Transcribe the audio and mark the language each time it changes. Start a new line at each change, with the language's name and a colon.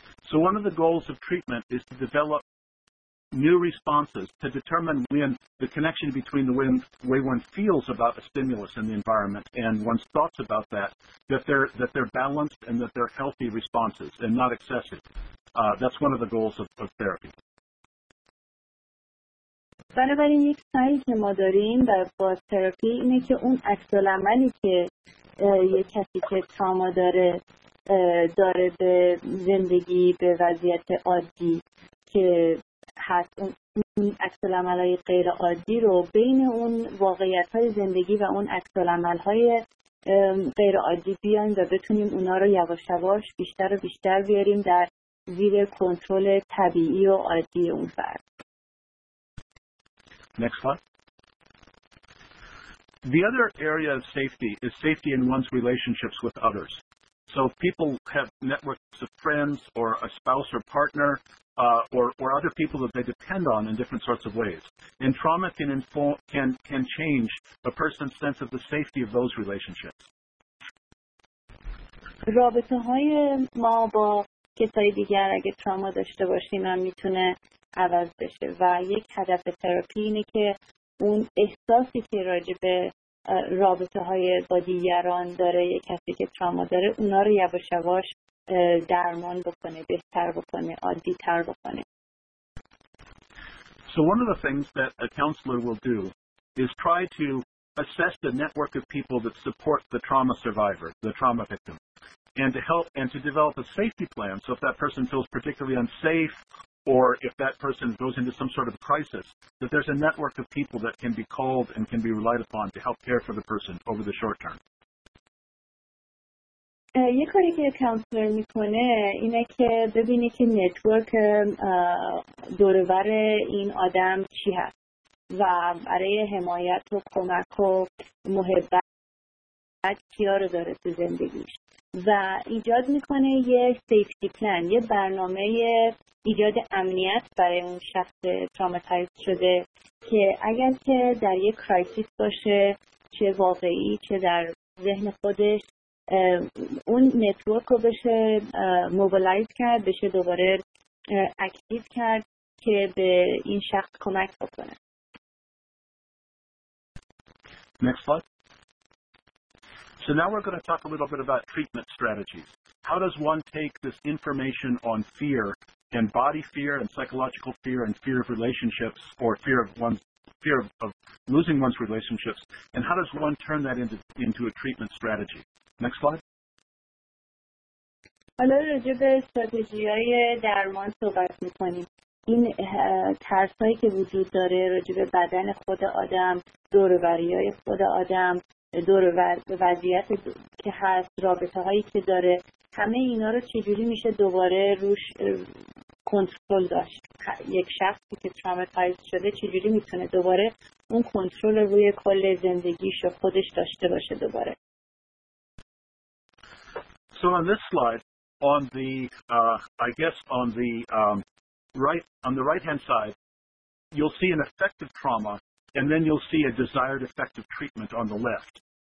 English: So one of the goals of treatment is to develop new responses to determine when the connection between the way one feels about a stimulus in the environment and one's thoughts about that they're balanced and that they're healthy responses and not excessive. That's one of the goals of therapy.
Persian: بنابراین یک سعی که ما داریم با تراپی اینه که اون عکس‌العملی که یک کسی که تروما داره به زندگی، به وضعیت عادی که هست، اون عکس‌العمل‌های غیر عادی رو بین اون واقعیت‌های زندگی و اون عکس‌العمل‌های غیر عادی بیاریم و بتونیم اونا رو یواش یواش بیشتر و بیشتر بیاریم در زیر کنترل طبیعی و عادی اون فرد.
English: Next slide. The other area of safety is safety in one's relationships with others. So if people have networks of friends or a spouse or partner or other people that they depend on in different sorts of ways. And trauma can change a person's sense of the safety of those relationships.
Persian: رابطه‌های ما با کسای دیگر اگه تروما داشته باشیم هم میتونه عوض بشه و یک هدف تراپی اینه که اون احساسی که راجع به رابطه های با دیگران داره یک کسی که تروما داره اونا رو یواش یواش درمان بکنه، بهتر بکنه، عادی تر بکنه.
English: So one of the things that a counselor will do is try to assess the network of people that support the trauma survivor, the trauma victim, and to help and to develop a safety plan. So if that person feels particularly unsafe or if that person goes into some sort of crisis, that there's a network of people that can be called and can be relied upon to help care for the person over the short term.
Persian: یه کاری که کانسلر میکنه اینه که ببینه که نتورک دورور این آدم چی هست و برای حمایت و کمک و محبت کیار داره تو زندگیش و ایجاد میکنه یه سیفتی پلان، یه برنامه ایجاد امنیت برای اون شخص تروماتایز شده که اگر که در یه کرایسیس باشه، چه واقعی چه در ذهن خودش، اون نتورک رو بشه موبیلایز کرد، بشه دوباره اکتیو کرد که به این شخص کمک بکنه.
English: Next slide. So now we're going to talk a little bit about treatment strategies. How does one take this information on fear and body fear and psychological fear and fear of relationships or fear of one's fear of losing one's relationships, and how does one turn that into a treatment strategy? Next slide.
Persian: حالا راجع به استراتژی‌های درمان صحبت می‌کنیم. این ترس‌هایی که وجود داره راجع به بدن خود آدم، دوروبری‌های خود آدم، وضعیت که هست، رابطه‌هایی که داره، همه اینا رو چجوری میشه دوباره روش کنترل داشت؟ یک شخصی که تروماتایز شده چجوری میتونه دوباره اون کنترل روی کل زندگیش رو خودش داشته باشه دوباره؟
English: So on this slide, on the right hand side, you'll see an effective trauma, and then you'll see a desired effective treatment on the left.